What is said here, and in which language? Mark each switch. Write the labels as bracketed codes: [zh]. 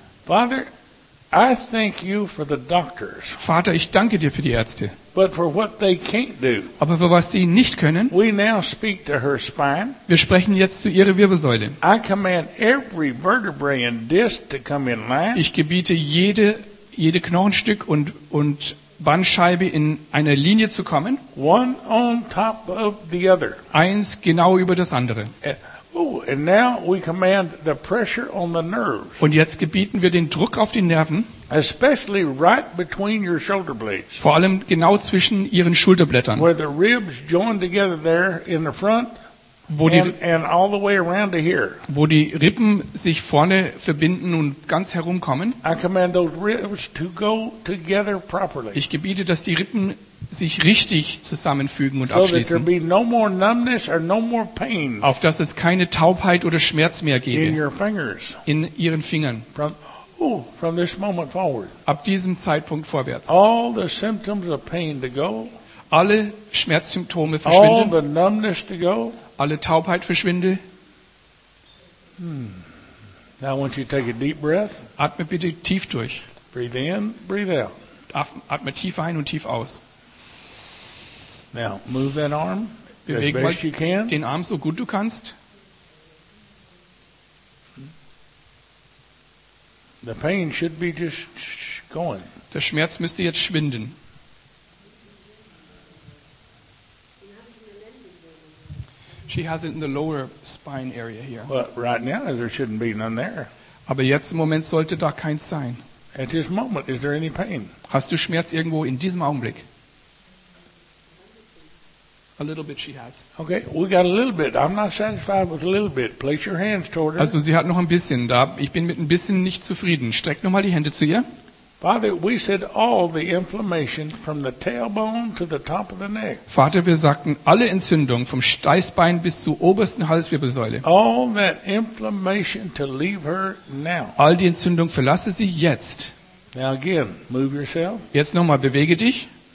[en] Father, I thank you for the doctors. [de] Vater, ich danke dir für die Ärzte. [en] But for what they can't do. [de] Aber für was sie nicht können. [en] We now speak to her spine. [de] Wir sprechen jetzt zu ihrer Wirbelsäule. [en] I command every vertebrae and disc to come in line. [de] Ich gebiete jede Knochenstück und Bandscheibe in einer Linie zu kommen. [en] One on top of the other. [de] Eins genau über das andere. [en] And now we command the pressure on the nerves. [de] Und jetzt gebieten wir den Druck auf die Nerven. [en] Especially right between your shoulder blades. [de] Vor allem genau zwischen ihren Schulterblättern. [en] Where the ribs join together there in the front. And all the way around to here. [de] Wo die Rippen sich vorne verbinden und ganz herumkommen. [en] I command those ribs to go together properly. [de] Ich gebiete, dass die Rippen sich richtig zusammenfügen und abschließen. [en] So that there be no more numbness or no more pain. [de] Auf dass es keine Taubheit oder Schmerz mehr gebe. [en] In your fingers. [de] In ihren Fingern. [en] From this moment forward. [de] Ab diesem Zeitpunkt vorwärts. [en] All the symptoms of pain to go. [de] Alle Schmerzsymptome verschwinden. [en] All the numbness to go. [de] Alle Taubheit verschwinde. [en] Now I want you to take a deep breath. [de] Atme bitte tief durch. [en] Breathe in, breathe out. [de] Atme tief ein und tief aus. [en] Now move that arm. [de] Bewege mal den Arm so gut du kannst. [en] The pain should be just going. [de] Der Schmerz müsste jetzt schwinden. [en] She has it in the lower spine area here. But right now, there shouldn't be none there. [de] Aber jetzt im Moment sollte da keins sein. [en] At this moment, is there any pain? [de] Hast du Schmerz irgendwo in diesem Augenblick? [en] A little bit she has. Okay, we got a little bit. I'm not satisfied with a little bit. Place your hands toward her. [de] Also sie hat noch ein bisschen. Da ich bin mit ein bisschen nicht zufrieden. Streck noch mal die Hände zu ihr. [en] Father, we said all the inflammation from the tailbone to the top of the neck. [de] Vater, wir sagten alle Entzündung vom Steißbein bis zur obersten Halswirbelsäule. [en] All that inflammation to leave her now. [de] All die Entzündung verlasse sie jetzt. [en] Now again, move yourself. [de] Jetzt nochmal, bewege dich.